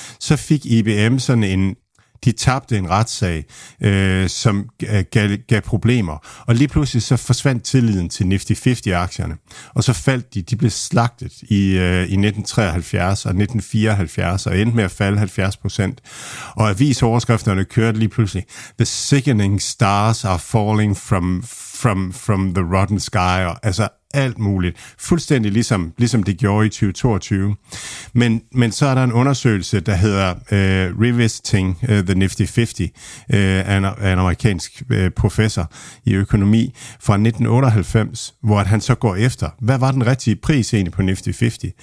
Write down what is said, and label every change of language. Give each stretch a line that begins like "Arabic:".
Danish: Så fik IBM sådan en, de tabte en retssag, som gav problemer. Og lige pludselig så forsvandt tilliden til Nifty 50-aktierne. Og så faldt de. De blev slagtet i 1973 og 1974 og endte med at falde 70%. Og avisoverskrifterne kørte lige pludselig.
English: The sickening stars are falling from the rotten sky.
Danish: Og, altså alt muligt. Fuldstændig ligesom det gjorde i 2022. Men så er der en undersøgelse, der hedder Revisiting the Nifty 50 af en amerikansk professor i økonomi fra 1998, hvor han så går efter, hvad var den rigtige pris egentlig på Nifty 50?